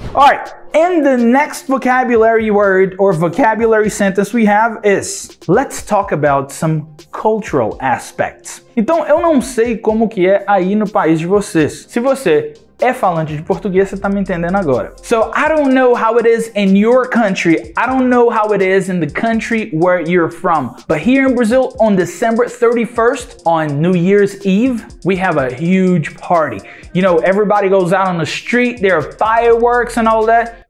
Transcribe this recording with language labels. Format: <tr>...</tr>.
<en>Alright, and the next vocabulary word or vocabulary sentence we have is let's talk about some cultural aspects.</en> <pt>Então, eu não sei como que é aí no país de vocês. Se você é falante de português, você tá me entendendo agora.</pt> <en>So, I don't know how it is in your country. I don't know how it is in the country where you're from. But here in Brazil, on December 31st, on New Year's Eve, we have a huge party. You know, everybody goes out on the street, there are fireworks and all that.</en>